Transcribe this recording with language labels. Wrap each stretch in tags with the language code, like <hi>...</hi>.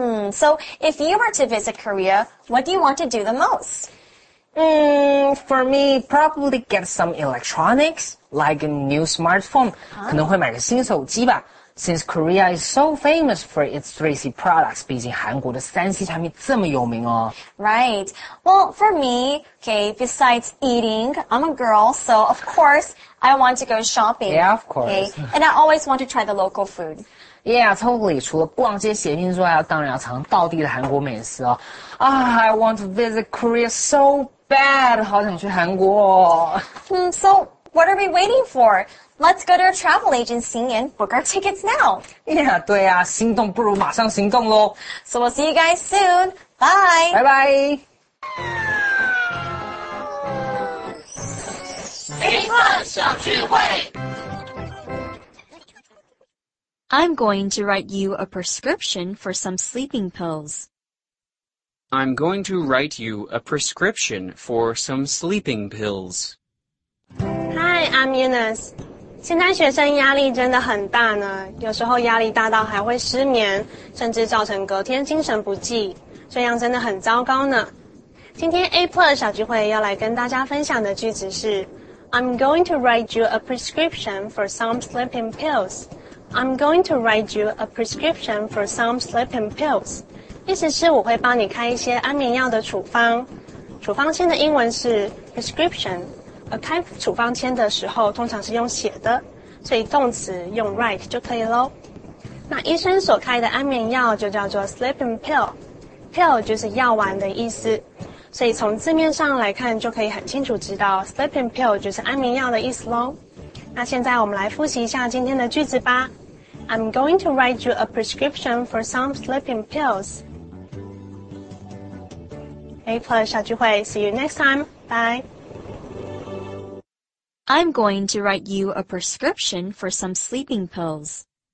<en>So if you were to visit Korea, what do you want to do the most? For me, probably get some electronics, like a new smartphone.</en> <zh>Huh? 可能会买个新手机吧。</zh> <en>Since Korea is so famous for its 3C products,</en> <zh>毕竟韩国的 3C 产品这么有名哦。</zh> <en>Right. Well, for me, okay, besides eating, I'm a girl, so of course, I want to go shopping. Yeah, of course. Okay? And I always want to try the local food. Yeah, totally.</en> <zh>除了逛街闲逛之外，当然要尝到地的韩国美食哦。</zh> <en>I want to visit Korea so bad.</en> <zh>好想去韩国哦。</zh> <en>So What are we waiting for? Let's go to our travel agency and book our tickets now.</en> <zh>Yeah, 对啊，心动不如马上行动咯。</zh> <en>So we'll see you guys soon. Bye. Bye bye. I'm going to write you a prescription for some sleeping pills. I'm going to write you a prescription for some sleeping pills. Hi, I'm Eunice.</en> <zh>现在学生压力真的很大呢，有时候压力大到还会失眠，甚至造成隔天精神不济，这样真的很糟糕呢。今天 A Plus 小聚会要来跟大家分享的句子是</zh> <en>I'm going to write you a prescription for some sleeping pills. I'm going to write you a prescription for some sleeping pills.</en> <zh>意思是我会帮你开一些安眠药的处方。处方签的英文是 prescription。而开处方签的时候通常是用写的，所以动词用 write 就可以咯。那医生所开的安眠药就叫做 sleeping pill。 pill 就是药丸的意思。所以从字面上来看就可以很清楚知道 sleeping pill 就是安眠药的意思咯。那现在我们来复习一下今天的句子吧。</zh> <en>I'm going to write you a prescription for some sleeping pills. A Plus 小聚会 ,see you next time, bye. I'm going to write you a prescription for some sleeping pills.</en>